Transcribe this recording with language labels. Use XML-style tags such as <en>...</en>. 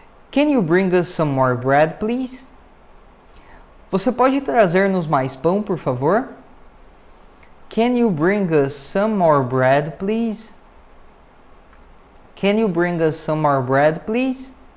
<en>Can you bring us some more bread, please?</en> <pt>Você pode trazer-nos mais pão, por favor?</pt> <en>Can you bring us some more bread, please? Can you bring us some more bread, please?</en>